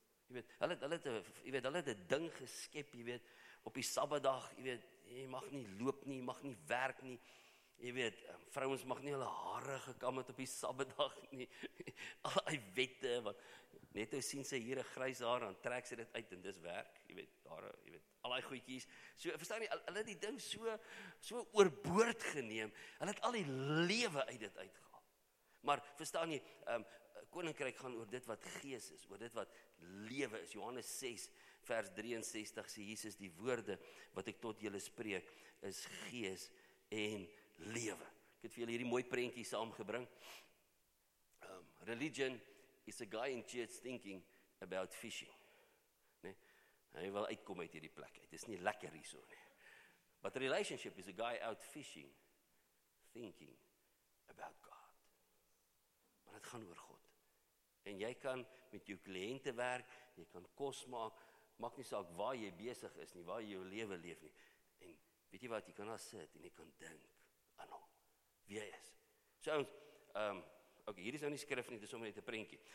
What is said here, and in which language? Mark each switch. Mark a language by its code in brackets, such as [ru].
[af] Jy weet, hulle het 'n ding geskep, jy weet, op die Sabbatdag, jy weet, jy mag nie loop nie, jy mag nie werk nie, jy weet, vrouwens mag nie hulle haare gekam het op die Sabbatdag nie, al die wette, want net hoe sien sy hier een grys haar, dan trek sy dit uit en dis werk, jy weet, daar, jy weet, al die goeitjies, so, verstaan jy, hulle het die ding so oorboord geneem, hulle het al die lewe uit dit uitgehaal, maar verstaan jy, koninkryk gaan oor dit wat gees is, oor dit wat lewe is, Johannes 6, vers 63 sê Jesus, die woorde wat ek tot julle spreek, is gees en lewe. Ek het vir julle hierdie mooi prentjie saamgebring. [en] Religion is a guy in church thinking about fishing. [af] Nee, hy wil uitkom uit hierdie plek uit, dis nie lekker hier so nie. [en] But relationship is a guy out fishing, thinking about God. [af] Maar het gaan oor God. En jy kan met jou kliënte werk, jy kan kos maak, maak nie saak waar jy besig is nie, waar jy jou lewe leef nie. En weet jy wat, jy kan daar sit en jy kan dink aan hom, wie hy is. So ons, ok, hier is nou nie skrif nie, dis om net 'n prentjie.